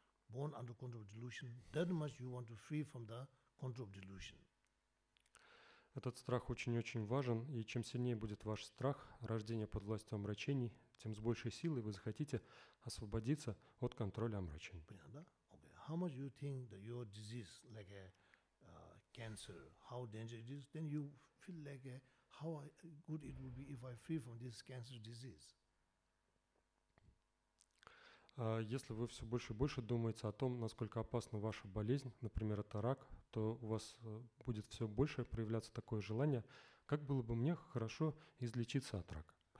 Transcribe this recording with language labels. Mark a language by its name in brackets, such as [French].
[English] Born under control of delusion, that much you want to free from the control of delusion. [Russian] Этот страх очень-очень важен, и чем сильнее будет ваш страх рождения под властью омрачений, тем с большей силой вы захотите освободиться от контроля омрачений. Понятно, да? Okay. [English] How much you think that your disease, like a cancer, how dangerous it is, then you feel like how good it would be if I free from this cancer disease. [Russian] Если вы все больше и больше думаете о том, насколько опасна ваша болезнь, например, это рак, то у вас будет все больше проявляться такое желание, как было бы мне хорошо излечиться от рака.